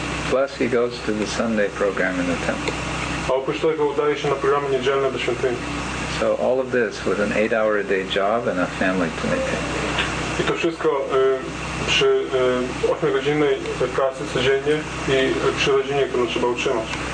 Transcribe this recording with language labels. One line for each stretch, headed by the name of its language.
English: Plus he goes to the Sunday program in the temple.
Polish: A oprócz tego udaje się na programy niedzielne do świątyni.
English: So all of this with an 8-hour-a-day job and a family to maintain.
Polish: I to wszystko przy 8-godzinnej pracy codziennie i przy rodzinie, którą trzeba utrzymać.